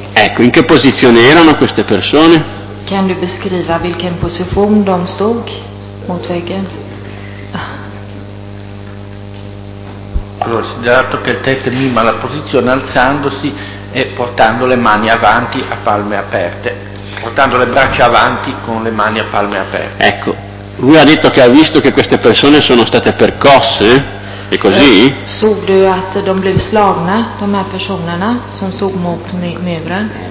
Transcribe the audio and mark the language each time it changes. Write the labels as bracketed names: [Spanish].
[Italian] Ecco, in che posizione erano queste persone? [Swedish] Kan du beskriva vilken position de stod mot väggen? [Italian] Considerato che il test mima la posizione alzandosi e portando le mani avanti a palme aperte, portando le braccia avanti con le mani a palme aperte. Ecco, lui ha detto che ha visto che queste persone sono state percosse, è così? [Swedish] Såg du att de blev slagna, de här personerna som stod mot muren?